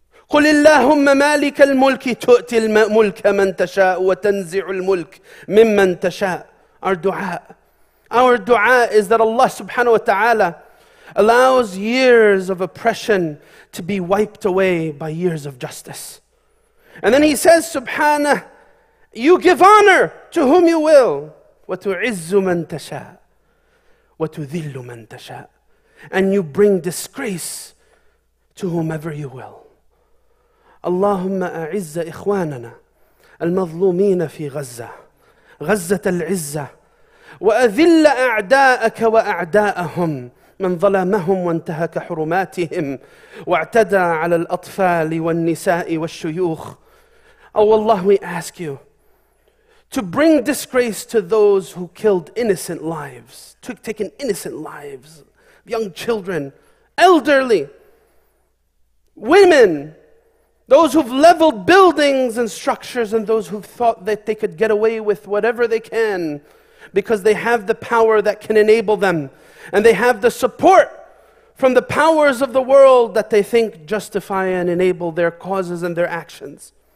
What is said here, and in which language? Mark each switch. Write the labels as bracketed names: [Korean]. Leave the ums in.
[Arabic] قل اللهم مالك الملك تؤتي الملك من تشاء وتنزع الملك ممن تشاء [English] our dua our dua is that Allah subhanahu wa ta'ala allows years of oppression to be wiped away by years of justice. And then he says, Subhanah, you give honor to whom you will. [Arabic] وَتُعِزُّ مَن تَشَاءُ وَتُذِلُّ مَن تَشَاءُ [English] And you bring disgrace to whomever you will. [Arabic] اللهم أعز إخواننا المظلومين في غزة غزة العزة وأذل أعداءك وأعداءهم من ظلمهم وانتهك حرماتهم واعتدى على الاطفال والنساء والشيوخ. [English] Oh Allah, we ask you to bring disgrace to those who killed innocent lives, took taken innocent lives, young children, elderly, women, those who've leveled buildings and structures, and those who've thought that they could get away with whatever they can because they have the power that can enable them and they have the support from the powers of the world that they think justify and enable their causes and their actions.